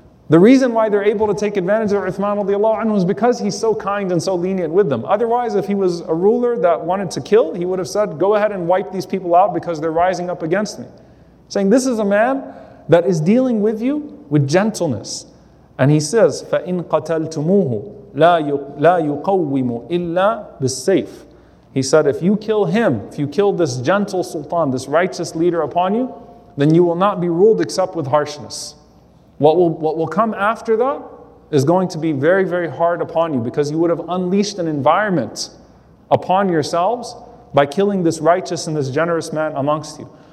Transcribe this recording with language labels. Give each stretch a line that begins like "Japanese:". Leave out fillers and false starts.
English: The reason why they're able to take advantage of Uthman radiallahu anhu is because he's so kind and so lenient with them. Otherwise, if he was a ruler that wanted to kill, he would have said, "Go ahead and wipe these people out because they're rising up against me." Saying, this is a man that is dealing with you with gentleness. And he says,
Arabic: فَإِن قَتَلْتُمُوهُ لَا يُقَوِّمُ إِلَّا بِالسَّيْفِ.
English: He said, if you kill him, if you kill this gentle sultan, this righteous leader upon you, then you will not be ruled except with harshness. What will come after that is going to be very, very hard upon you, because you would have unleashed an environment upon yourselves by killing this righteous and this generous man amongst you.